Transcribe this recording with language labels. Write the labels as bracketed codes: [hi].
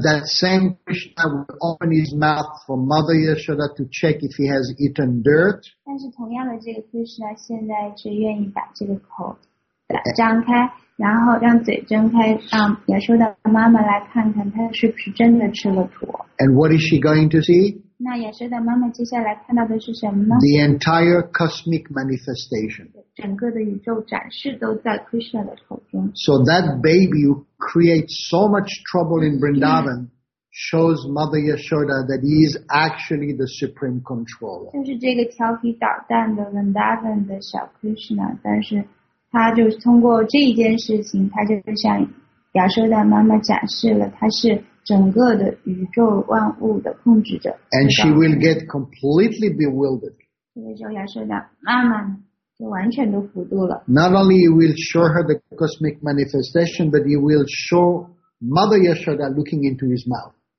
[en] that same Krishna would open his mouth for Mother Yashoda to check if he has eaten dirt. [zh] 但是同样的，这个 Krishna 现在是愿意把这个口打张开，然后让嘴睁开，让雅舍的妈妈来看看他是不是真的吃了土。 [en] And what is she going to see? [zh] 那雅舍的妈妈接下来看到的是什么呢? [en] The entire cosmic manifestation. [zh] 整个的宇宙展示都在Krishna的口中。 [en] So that baby who creates so much trouble in Vrindavan shows Mother Yashoda that he is actually the supreme controller. [zh] 就是这个调皮捣蛋的Vrindavan的小Krishna，但是他就通过这件事情，他就向雅舍的妈妈展示了他是整个的宇宙万物的控制者。 [en] And she will get completely bewildered. [zh] 这个时候亚瑟的妈妈就完全都糊涂了。 [en] Not only you will show her the cosmic manifestation, but you will show Mother Yashoda looking into his mouth.